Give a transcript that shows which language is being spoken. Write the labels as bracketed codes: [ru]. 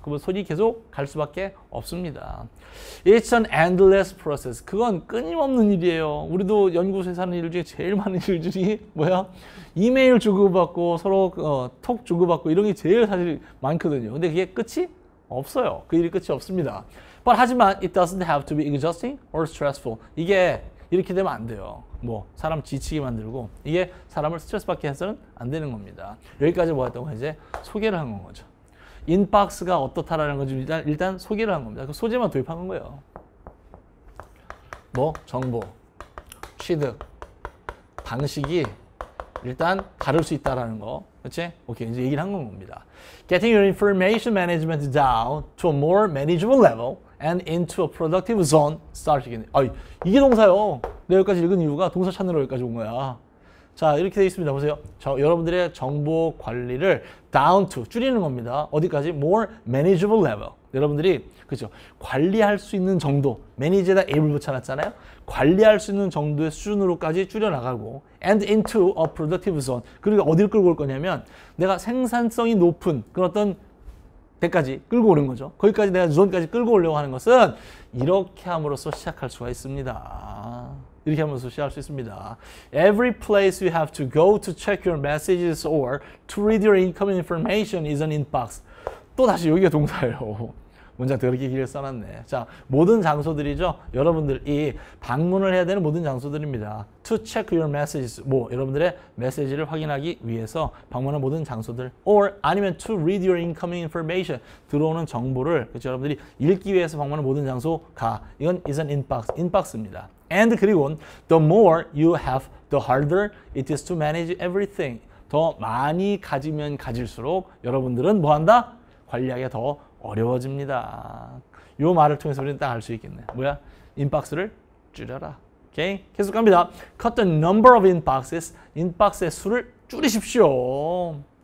[ko] 그러면 손이 계속 갈 수밖에 없습니다. [en] It's an endless process. [ko] 그건 끊임없는 일이에요. 우리도 연구소에서 하는 일 중에 제일 많은 일 중에 뭐야? 이메일 주고받고 서로 톡 주고받고 이런 게 제일 사실 많거든요. 근데 그게 끝이 없어요. 그 일이 끝이 없습니다. [en] But [ko] 하지만 [en] it doesn't have to be exhausting or stressful. [ko] 이게 이렇게 되면 안 돼요. 뭐 사람 지치게 만들고 이게 사람을 스트레스 받게 해서는 안 되는 겁니다. 여기까지 뭐였다고 이제 소개를 한 거죠. 인박스가 어떻다라는 건 일단 소개를 한 겁니다. 그 소재만 도입한 건 거예요. 뭐 정보 취득 방식이 일단 다를 수 있다라는 거. 그치? 오케이. 이제 얘기를 한 건 겁니다. [en] Getting your information management down to a more manageable level and into a productive zone starts again. [ko] 아이, 이게 동사요. 내가 여기까지 읽은 이유가 동사 찾느라 여기까지 온 거야. 자, 이렇게 되어 있습니다. 보세요. 저, 여러분들의 정보 관리를 down to, 줄이는 겁니다. 어디까지? [en] More manageable level. [ko] 여러분들이, 그죠? 관리할 수 있는 정도, manage에다 able 붙여놨잖아요? 관리할 수 있는 정도의 수준으로까지 줄여나가고, [en] and into a productive zone. [ko] 그리고 어디를 끌고 올 거냐면, 내가 생산성이 높은 그런 어떤 데까지 끌고 오는 거죠. 거기까지 내가 존까지 끌고 오려고 하는 것은, 이렇게 함으로써 시작할 수가 있습니다. 이렇게 하면서 시작할 수 있습니다. [en] Every place you have to go to check your messages or to read your incoming information is an inbox. [ko] 또 다시 여기가 동사예요. 문장 더럽게 길게 써놨네. 자, 모든 장소들이죠. 여러분들이 방문을 해야 되는 모든 장소들입니다. [en] To check your messages. [ko] 뭐 여러분들의 메시지를 확인하기 위해서 방문한 모든 장소들. [en] Or [ko] 아니면 [en] to read your incoming information. [ko] 들어오는 정보를 그렇죠? 여러분들이 읽기 위해서 방문한 모든 장소가 이건 [en] is an inbox. [ko] Inbox입니다. [en] And [ko] 그리고 [en] the more you have, the harder it is to manage everything. [ko] 더 많이 가지면 가질수록 여러분들은 뭐한다? 관리하기가 더 어려워집니다. 이 말을 통해서 우리는 딱 알 수 있겠네. 뭐야? 인박스를 줄여라. 오케이? 계속 갑니다. [en] Cut the number of inboxes. [ko] 인박스의 수를 줄이십시오.